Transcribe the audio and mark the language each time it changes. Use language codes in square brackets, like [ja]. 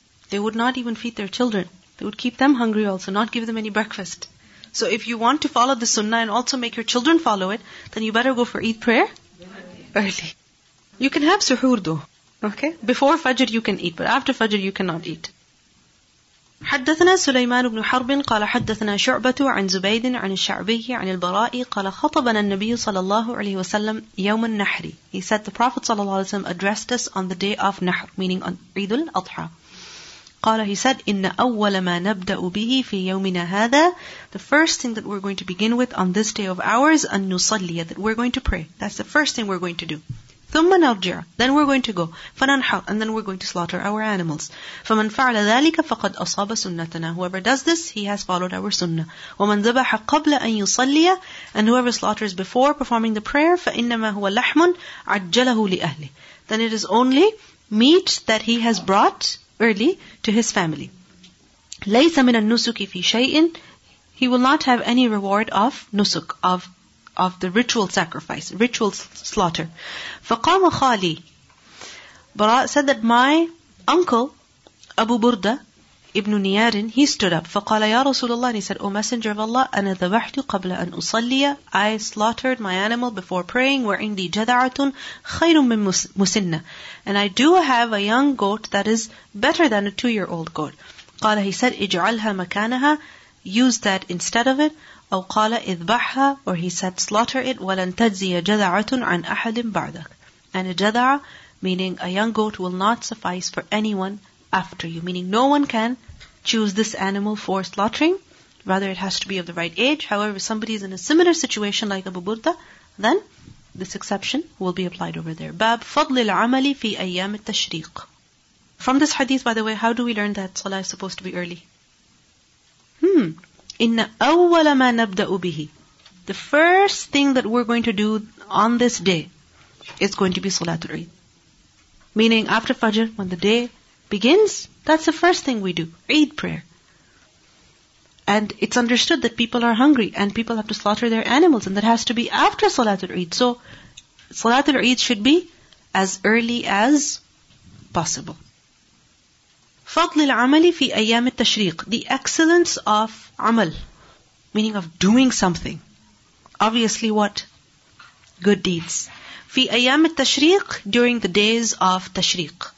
[en] They would not even feed their children. They would keep them hungry also, not give them any breakfast. So if you want to follow the Sunnah and also make your children follow it, then you better go for Eid prayer early. You can have suhoor though. Okay? Before Fajr you can eat, but after Fajr you cannot eat. [ar] حدثنا سليمان بن حرب قال حدثنا شعبة عن زبيد عن الشعبي عن البراء قال خطبنا النبي صلى الله عليه وسلم يوم النحر. [en] He said the Prophet [ar] صلى الله عليه وسلم [en] addressed us on the day of Nahr, meaning on Eid al-Adha. قال, he said, [ar] إن أول ما نبدأ به في يومنا هذا, [en] the first thing that we're going to begin with on this day of ours, [ar] أن نصلي, [en] that we're going to pray. That's the first thing we're going to do. [ar] ثم نرجع, [en] then we're going to go. [ar] فننحر, [en] and then we're going to slaughter our animals. [ar] فمن فعل ذلك فقد أصاب سنتنا. [en] Whoever does this, he has followed our sunnah. [ar] ومن ذبح قبل أن يصلي, [en] and whoever slaughters before performing the prayer, [ar] فإنما هو لحم عجله لأهله. [en] Then it is only meat that he has brought early to his family. [ar] ليس من النسك في شيء. [en] He will not have any reward of nusuk, of the ritual sacrifice, ritual slaughter. [ar] فَقَامَ خَالِي. [en] Bara' said that my uncle, Abu Burda, Ibn Niyarin, he stood up. [ar] فَقَالَ يَا رَسُولَ اللَّهِ. [en] He said, O Messenger of Allah, [ar] أَنَا ذَبَحْتُ قَبْلَ أَنْ أُصَلِّيَ. [en] I slaughtered my animal before praying, [ar] وَعِنْدِي جَذَعَةٌ خَيْرٌ مِّن مُسِنَّ. [en] And I do have a young goat that is better than a two-year-old goat. قَالَ, he said, [ar] اِجْعَلْهَا مَكَانَهَا. [en] Use that instead of it. [ar] أو قال إذبحها, [en] or he said slaughter it, [ar] ولن تجزي جذعة عن أحد بعدك. [en] And a جذعة, meaning a young goat, will not suffice for anyone after you. Meaning no one can choose this animal for slaughtering. Rather it has to be of the right age. However, if somebody is in a similar situation like Abu Burda, then this exception will be applied over there. [ar] باب فضل العمل في أيام التشريق. [en] From this hadith, by the way, how do we learn that Salah is supposed to be early? [ar] إِنَّ أَوَّلَ مَا نَبْدَأُ بِهِ. [en] The first thing that we're going to do on this day is going to be Salatul Eid. Meaning after Fajr, when the day begins, that's the first thing we do, Eid prayer. And it's understood that people are hungry and people have to slaughter their animals, and that has to be after Salatul Eid. So Salatul Eid should be as early as possible. [ar] فضل العمل في أيام التشريق. [en] The excellence of عمل, meaning of doing something. Obviously what? Good deeds. [ar] في أيام التشريق, [en] during the days of تشريق.